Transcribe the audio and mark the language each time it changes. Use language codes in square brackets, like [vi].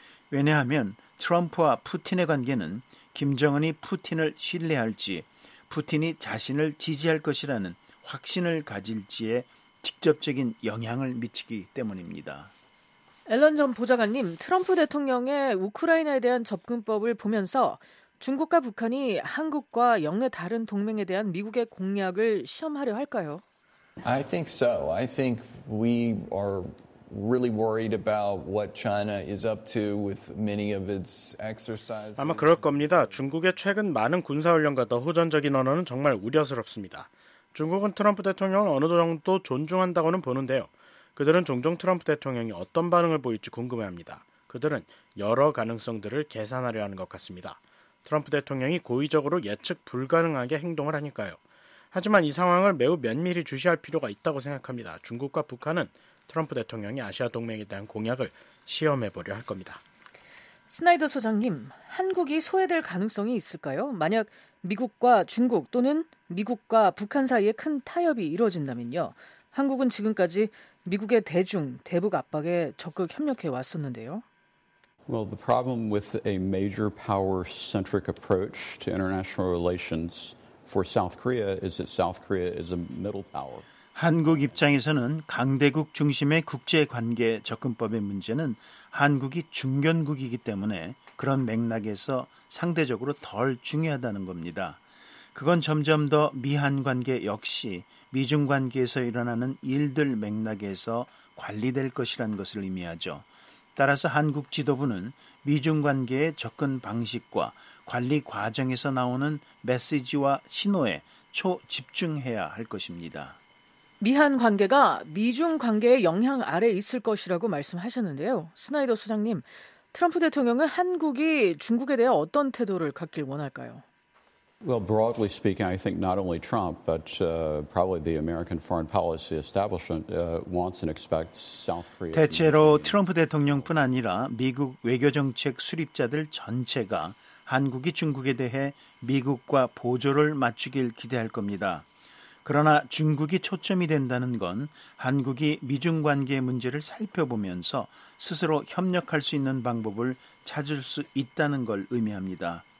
[ko] 왜냐하면 트럼프와 푸틴의 관계는 김정은이 푸틴을 신뢰할지, 푸틴이 자신을 지지할 것이라는 확신을 가질지에 직접적인 영향을 미치기 때문입니다. 앨런 전 보좌관님, 트럼프 대통령의 우크라이나에 대한 접근법을 보면서 중국과 북한이 한국과 영내 다른 동맹에 대한 미국의 공약을 시험하려 할까요? [en] I think so. I think we are really worried about what China is up to with many of its exercises. [ko] 아마 그럴 겁니다. 중국의 최근 많은 군사훈련과 허전적인 언어는 정말 우려스럽습니다. 중국은 트럼프 대통령을 어느 정도 존중한다고는 보는데요. 그들은 종종 트럼프 대통령이 어떤 반응을 보일지 궁금해합니다. 그들은 여러 가능성들을 계산하려 하는 것 같습니다. 트럼프 대통령이 고의적으로 예측 불가능하게 행동을 하니까요. 하지만 이 상황을 매우 면밀히 주시할 필요가 있다고 생각합니다. 중국과 북한은 트럼프 대통령이 아시아 동맹에 대한 공약을 시험해보려 할 겁니다. 스나이더 소장님, 한국이 소외될 가능성이 있을까요? 만약 미국과 중국 또는 미국과 북한 사이에 큰 타협이 이루어진다면요. 한국은 지금까지 미국의 대중, 대북 압박에 적극 협력해 왔었는데요. [en] Well, the problem with a major power-centric approach to international relations for South Korea is that South Korea is a middle power. [ko] 한국 입장에서는 강대국 중심의 국제 관계 접근법의 문제는 한국이 중견국이기 때문에 그런 맥락에서 상대적으로 덜 중요하다는 겁니다. 그건 점점 더 미한 관계 역시 미중 관계에서 일어나는 일들 맥락에서 관리될 것이란 것을 의미하죠. 따라서 한국 지도부는 미중 관계의 접근 방식과 관리 과정에서 나오는 메시지와 신호에 초집중해야 할 것입니다. 미한 관계가 미중 관계의 영향 아래 있을 것이라고 말씀하셨는데요. 스나이더 소장님, 트럼프 대통령은 한국이 중국에 대해 어떤 태도를 갖길 원할까요? [en] Well, broadly speaking, I think not only Trump, but probably the American foreign policy establishment wants and expects South Korea. [ko] 대체로 트럼프 대통령뿐 아니라 미국 외교 정책 수립자들 전체가 한국이 중국에 대해 미국과 보조를 맞추길 기대할 겁니다. 그러나 중국이 초점이 된다는 건 한국이 미중 관계 문제를 살펴보면서 스스로 협력할 수 있는 방법을 찾을 수 있다는 걸 의미합니다.